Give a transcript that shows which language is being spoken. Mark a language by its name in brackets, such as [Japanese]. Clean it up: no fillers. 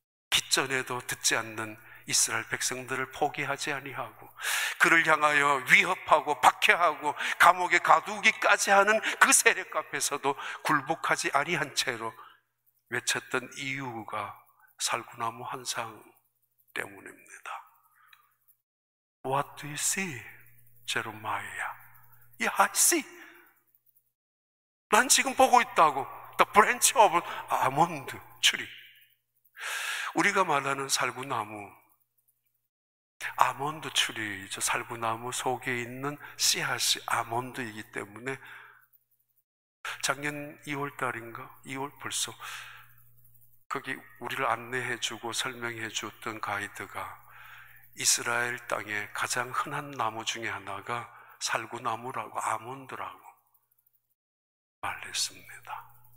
[Korean] 빚전에도 듣지 않는 이스라엘 백성들을 포기하지 아니하고 그를 향하여 위협하고 박해하고 감옥에 가두기까지 하는 그 세력 앞에서도 굴복하지 아니한 채로 외쳤던 이유가 살구나무 환상 때문입니다. [English] What do you see, Jeremiah? Yeah, I see. [Korean] 난 지금 보고 있다고. [English] The branch of almond tree. [Korean] 우리가 말하는 살구나무, 아몬드 추리죠. 살구나무 속에 있는 씨앗이 아몬드이기 때문에 작년 2월 달인가? 2월 벌써 거기 우리를 안내해 주고 설명해 주었던 가이드가 이스라엘 땅에 가장 흔한 나무 중에 하나가 살구나무라고 아몬드라고 말했습니다.